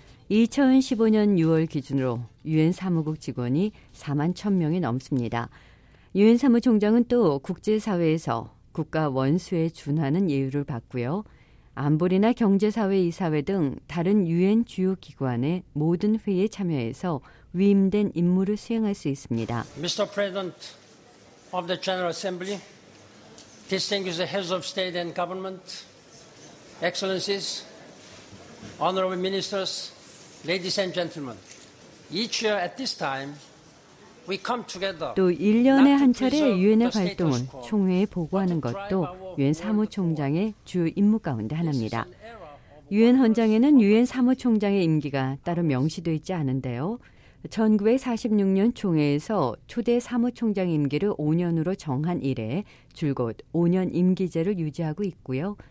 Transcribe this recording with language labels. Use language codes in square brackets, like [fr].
[ko] 2015년 6월 기준으로 유엔 사무국 직원이 4만 1,000명이 넘습니다. 유엔 사무총장은 또 국제사회에서 국가 원수에 준하는 예우를 받고요. 안보리나 경제사회 이사회 등 다른 유엔 주요 기관의 모든 회의에 참여해서 위임된 임무를 수행할 수 있습니다. [en] Mr. President of the General Assembly, Distinguished Heads of State and Government, Excellencies, Honorable Ministers, Ladies and Gentlemen, each year at this time, we come together. [ko] 또 1년에 한 차례 유엔의 활동을 총회에 보고하는 것도 유엔 사무총장의 주요 임무 가운데 하나입니다. 유엔 헌장에는 유엔 사무총장의 임기가 따로 명시되어 있지 않은데요. 1946년 총회에서 초대 사무총장 임기를 5년으로 정한 이래 줄곧 5년 임기제를 유지하고 있고요.